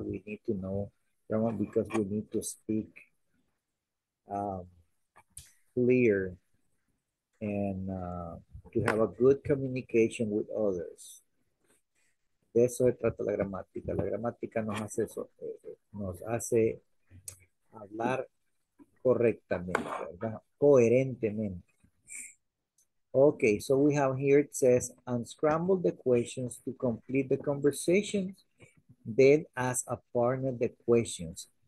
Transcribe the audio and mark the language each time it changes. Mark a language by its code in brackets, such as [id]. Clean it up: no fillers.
[en] We need to know grammar because we need to speak clear and to have a good communication with others. [es] De eso se trata la gramática. La gramática nos hace eso, nos hace hablar correctamente, ¿verdad? Coherentemente. [en] Okay, so we have here, it says, unscramble the questions to complete the conversations, then ask a partner the questions.